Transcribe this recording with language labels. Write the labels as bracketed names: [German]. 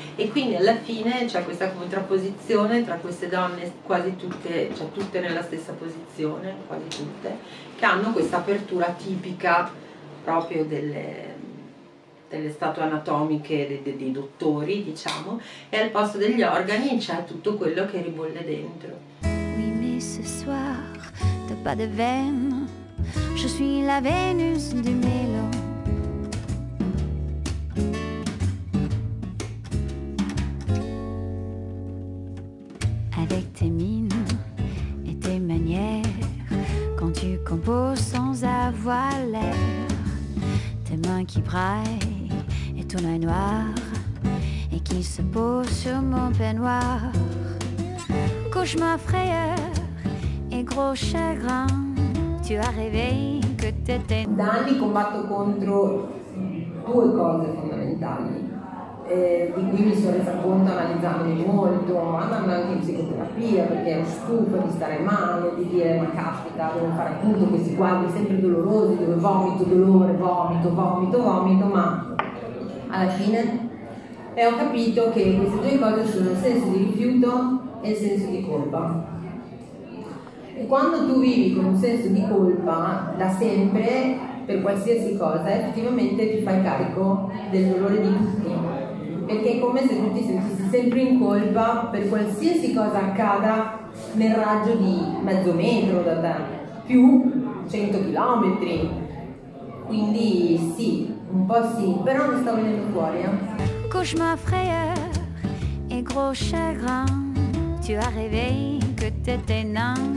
[Italian] E quindi alla fine c'è questa contrapposizione tra queste donne, quasi tutte, cioè tutte nella stessa posizione, quasi tutte, che hanno questa apertura tipica proprio delle statue anatomiche dei dottori, diciamo, e al posto degli organi c'è tutto quello che ribolle dentro. [French] Ce soir, t'as pas de veine, je suis la Vénus du Milo. Avec tes mines et tes manières, quand tu composes sans avoir l'air, tes mains qui braillent et ton œil noir, et qui se pose sur mon peignoir, cauchemar frayeur. Gros chagrin, tu as rêvé que t'étais... [Italian] Da anni combatto contro due cose fondamentali di cui mi sono resa conto analizzandomi molto, andando anche in psicoterapia, perché ero stufa di stare male, di dire ma caspita, devo fare appunto questi quadri sempre dolorosi dove vomito, dolore, vomito, vomito, vomito, ma alla fine ho capito che queste due cose sono il senso di rifiuto e il senso di colpa. E quando tu vivi con un senso di colpa da sempre, per qualsiasi cosa, effettivamente ti fai carico del dolore di tutti, perché è come se tu ti sentissi sempre in colpa per qualsiasi cosa accada nel raggio di mezzo metro da te, più 100 chilometri. Quindi sì, un po' sì, però non sta venendo fuori. [French] Cauchemar frayeur et gros chagrin, tu as rêvé que t'étais nain.